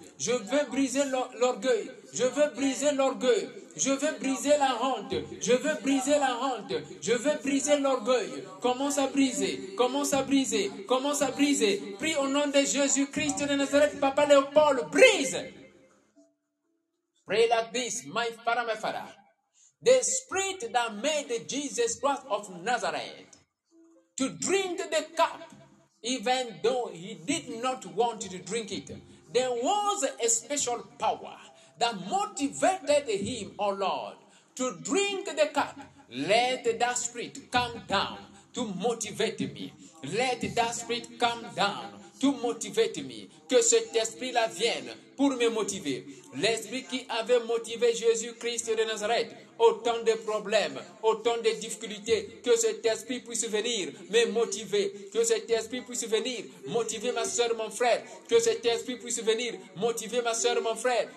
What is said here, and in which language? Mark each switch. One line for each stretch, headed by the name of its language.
French: Je veux briser l'orgueil. Je veux briser l'orgueil. Je veux briser la honte. Je veux briser la honte. Je veux briser l'orgueil. Commence à briser. Commence à briser. Commence à briser. Prie au nom de Jésus-Christ de Nazareth, Papa Léopold, brise.
English: Pray like this, my father. The spirit that made Jesus Christ of Nazareth to drink the cup, even though he did not want to drink it, there was a special power that motivated him, oh Lord, to drink the cup. Let that spirit come down to motivate me. Let that spirit come down to motivate me.
French: Que cet esprit-là vienne pour me motiver. L'esprit qui avait motivé Jésus-Christ de Nazareth, autant de problèmes, autant de difficultés, que cet esprit puisse venir me motiver. Que cet esprit puisse venir motiver ma soeur, mon frère. Que cet esprit puisse venir motiver ma soeur, mon frère.